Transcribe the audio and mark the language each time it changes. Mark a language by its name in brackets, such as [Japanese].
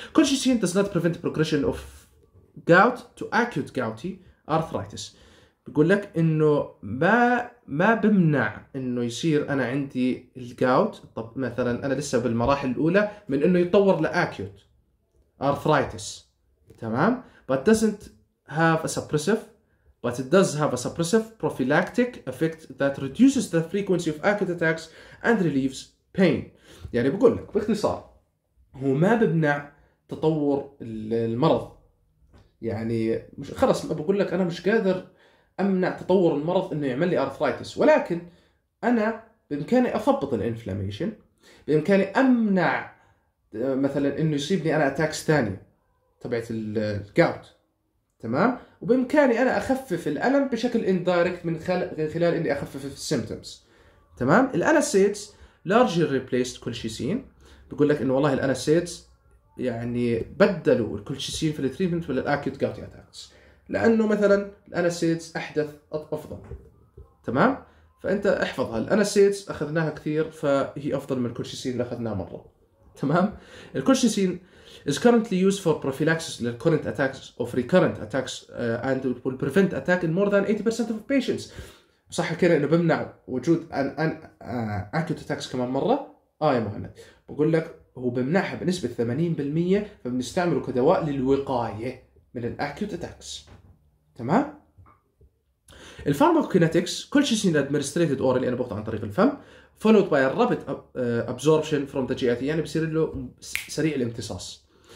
[English] Colchicine does not prevent progression of gout to acute gouty arthritis. [Arabic] بيقول لك إنه ما بمنع إنه يصير أنا عندي الجاوت، طب مثلاً أنا لسه بالمراحل الأولى، من إنه يتطور لأكيوت arthritis. [English] تمام؟ but doesn't have a suppressive, but it does have a suppressive prophylactic effect that reduces the frequency of acute attacks and relieves pain. [Arabic] يعني بقول لك باختصار، هو ما بمنع تطور المرض، يعني مش خلص بقول لك انا مش قادر امنع تطور المرض انه يعمل لي ارثرايتس، ولكن انا بامكاني اضبط الانفلاميشن، بامكاني امنع مثلا انه يصيبني انا اتاكس ثاني تبعت الجاوت. تمام؟ وبامكاني انا اخفف الالم بشكل اندايركت من خلال اني اخفف السيمبتومز. [English] تمام؟ الانسيدز largely replaced colchicine. [Arabic] بيقول لك انه والله الانسيدز يعني بدلوا الكولشيسين في التريتمنت ولا الاكيوت جاوت اتاكس، لانه مثلا الانسيدز احدث افضل. تمام؟ فانت احفظها، الانسيدز اخذناها كثير فهي افضل من الكولشيسين اللي اخذناه مره. [English] تمام؟ الكولشيسين is currently used for prophylaxis of current attacks of recurrent attacks and will prevent attack in more than 80% of patients. [Arabic] صح كده انه بمنع وجود ان اكيوت اتاكس كمان مره. اي مهند بقول لك هو بمنعها بنسبه 80%، فبنستعمله كدواء للوقايه من الاكيوت اتاكس. [English] تمام؟ الفارماكوكينيتكس colchicine administered orally, [Arabic] انا باخذه عن طريق الفم [English] followed by rapid absorption from the G I T, [Arabic] يعني بصير له سريع الامتصاص.